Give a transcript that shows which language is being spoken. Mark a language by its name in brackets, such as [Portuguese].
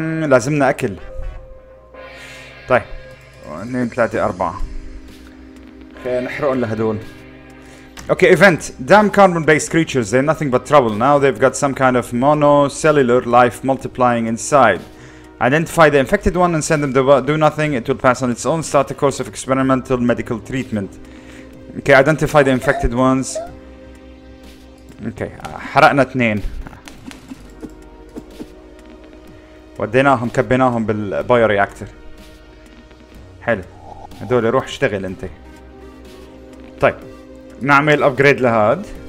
[Arabic] لازمنا اكل. طيب 2 3 4 خلينا نحرق لهدول. [English] اوكي ايفنت دام كاربون بيس كريتشرز ذي نوثينج بات ترابل ناو ذي هاف جوت سم كايند اوف مونو سيلولر لايف مولتيبلاينج انسايد. Identify the infected one and send them to do nothing. It will pass on its own. Start a course of experimental medical treatment. Okay, identify the infected ones. [Arabic] Okay, حرقنا اثنين. وديناهم كبيناهم بالبايو رياكتر. حلو. هدول روح اشتغل انت. طيب. نعمل upgrade لهاد.